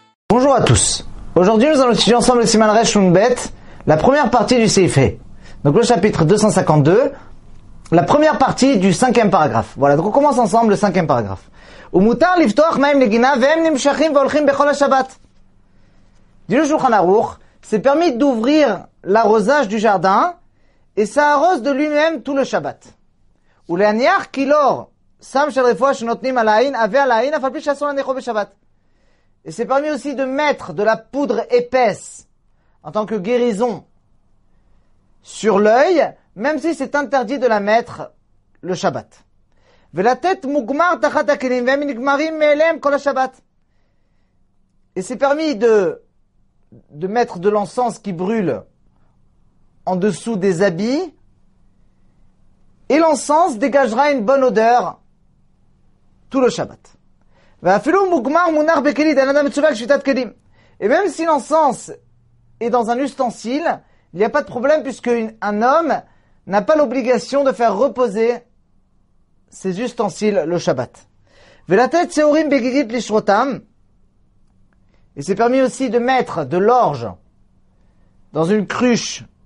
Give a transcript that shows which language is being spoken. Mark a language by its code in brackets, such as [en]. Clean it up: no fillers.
[fr] Bonjour à tous. Aujourd'hui, nous allons étudier ensemble le Siman Resh Nun Bet, la première partie du Seifé. Donc le chapitre 252, la première partie du cinquième paragraphe. Voilà, donc on commence ensemble le cinquième paragraphe. [he] ומותר לפתוח מים לגינה והם נמשכים והולכים בכל השבת. דינו שולחן ערוך, [fr] c'est permis d'ouvrir l'arrosage du jardin et ça arrose de lui-même tout le Shabbat. [he] ולהניח כילור, סם של רפואה שנותנים על העין, עבה על העין, אף על פי שעשו להניחו בשבת. [fr] Et c'est permis aussi de mettre de la poudre épaisse en tant que guérison sur l'œil, même si c'est interdit de la mettre le Shabbat. [he] ולתת מוגמר תחת הכלים והם נגמרים מאליהם כל השבת. [fr] Et c'est permis de mettre de l'encens qui brûle en dessous des habits et l'encens dégagera une bonne odeur tout le Shabbat. [he] ואפילו מוגמר מונח בכלי דן אדם מצווה לשביתת כלים. [fr] Et même si l'encens est dans un ustensile, il n'y a pas de problème puisque un homme n'a pas l'obligation de faire reposer ses ustensiles le Shabbat. [he] Velatet seorim begigit lishrotam. [fr] Et c'est permis aussi de mettre de l'orge dans une cruche.